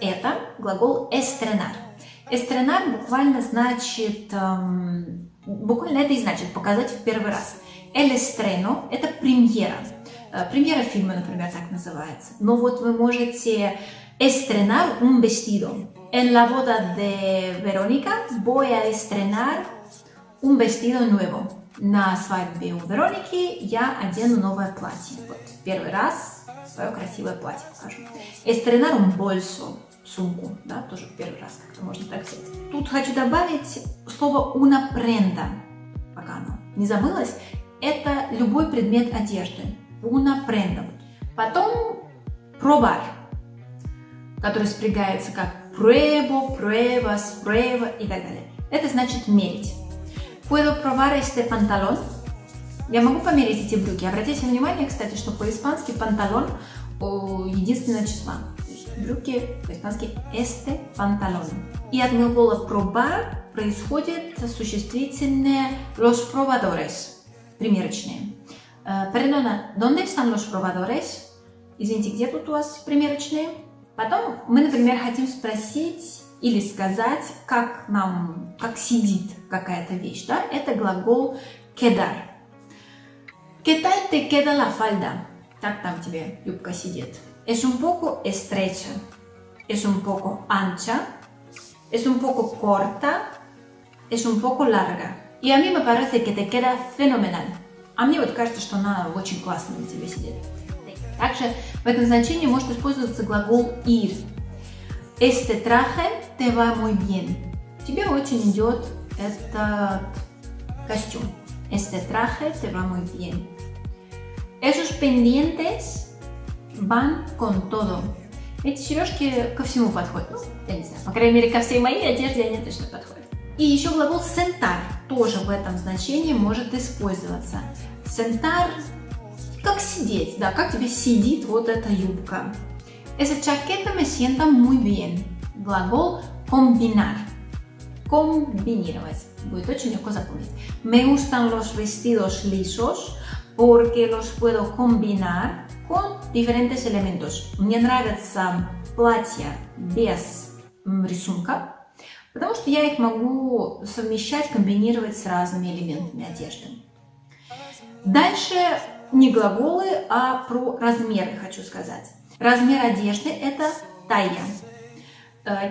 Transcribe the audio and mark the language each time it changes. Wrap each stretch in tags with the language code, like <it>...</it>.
<ru>Это глагол estrenar. Estrenar буквально значит, буквально это и значит показать в первый раз.</ru> <es>El estreno</es> <ru>– это премьера. Премьера фильма, например, так называется. Но вот вы можете</ru> <es>estrenar un vestido. En la boda de Verónica voy a estrenar un vestido nuevo.</es> <ru>На свадьбе у Вероники я одену новое платье. Вот, первый раз свое красивое платье покажу.</ru> <es>Estrenar un bolso,</es> <ru>сумку, да, тоже первый раз как-то можно так взять. Тут хочу добавить слово</ru> <es>una prenda,</es> <ru>пока оно не забылось. Это любой предмет одежды.</ru> <es>Una prenda.</es> <ru>Потом probar, который спрягается как</ru> <es>pruebo, pruebas, prueba</es> <ru>и так далее. Это значит мерить.</ru> <es>Puedo probar este pantalón?</es> <ru>Я могу померить эти брюки. Обратите внимание, кстати, что по-испански pantalón единственное число. Брюки по-испански</ru> <es>este pantalón.</es> <ru>И от глагола probar происходит существительное</ru> <es>los probadores,</es> <ru>примерочные.</ru> <es>Perdona, ¿dónde están los probadores?</es> <ru>Извините, где тут у вас примерочные? Потом мы, например, хотим спросить или сказать, как нам, как сидит какая-то вещь, да? Это глагол quedar.</ru> <es>¿Qué tal te queda la falda?</es> <ru>Как там тебе юбка сидит?</ru> <es>Es un poco estrecha. Es un poco ancha. Es un poco corta. Es un poco larga. Y a mí me parece que te queda fenomenal.</es> <ru>А мне вот кажется, что она очень классно на тебе сидит. Также в этом значении может использоваться глагол ir.</ru> <es>Este traje te va muy bien.</es> <ru>Тебе очень идет этот костюм.</ru> <es>Este traje te va muy bien. Esos pendientes van con todo.</es> <ru>Эти сережки ко всему подходят. Ну, я не знаю, по крайней мере, ко всей моей одежде они точно подходят. И еще глагол sentar тоже в этом значении может использоваться. Sentar, как сидеть, да, как тебе сидит вот эта юбка.</ru> <es>Esa chaqueta me sienta muy bien.</es> <ru>Глагол combinar. Комбинировать. Будет очень легко запомнить.</ru> <es>Me gustan los vestidos lisos porque los puedo combinar con diferentes elementos.</es> <ru>Мне нравятся платья без рисунка, потому что я их могу совмещать, комбинировать с разными элементами одежды. Дальше не глаголы, а про размеры хочу сказать. Размер одежды – это talla.</ru>